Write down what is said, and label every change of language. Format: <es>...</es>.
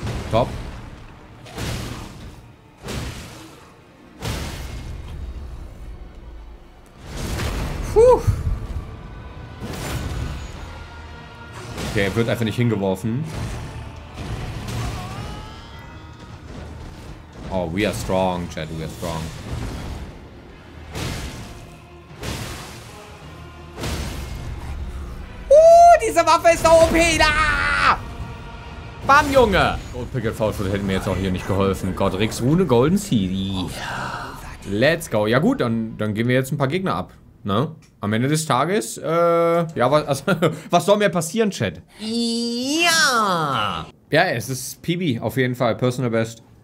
<de>Top. Okay, er wird einfach nicht hingeworfen.</de> <en>Oh, we are strong, Chad, we are strong.</en> <de>Diese Waffe ist so OP, da! Bam, Junge! Gold Picket Foulfoot hätte mir jetzt auch hier nicht geholfen.</de> <en>Godrix Rune, Golden Seed. Let's go.</en> <de>Ja gut, dann gehen wir jetzt ein paar Gegner ab. Ne? Am Ende des Tages, ja, was, also, was soll mir passieren, Chat? Ja! Ja, es ist PB, auf jeden Fall,</de> <en>personal best.</en>